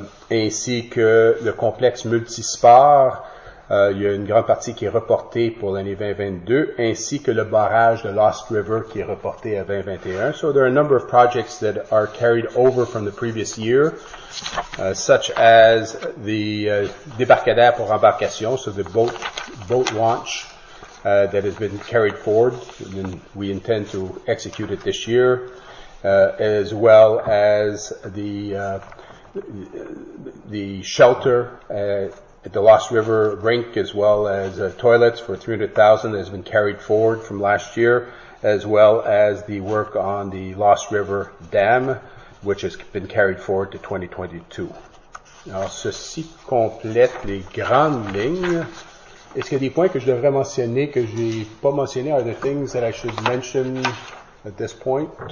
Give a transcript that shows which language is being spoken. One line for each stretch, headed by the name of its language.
French: ainsi que le complexe multisport. Il y a une grande partie qui est reportée pour l'année 2022, ainsi que le barrage de Lost River qui est reporté à 2021.
English: So there are a number of projects that are carried over from the previous year, such as the
French: débarcadère pour embarcation,
English: so the boat launch that has been carried forward, and we intend to execute it this year, as well as the shelter at the Lost River rink, as well as toilets for $300,000 that has been carried forward from last year, as well as the work on the Lost River dam, which has been carried forward to 2022.
French: Alors, ceci complète les grandes lignes. Est-ce qu'il y a des points que je devrais mentionner que j'ai pas mentionné?
English: Are there things that I should mention at this point?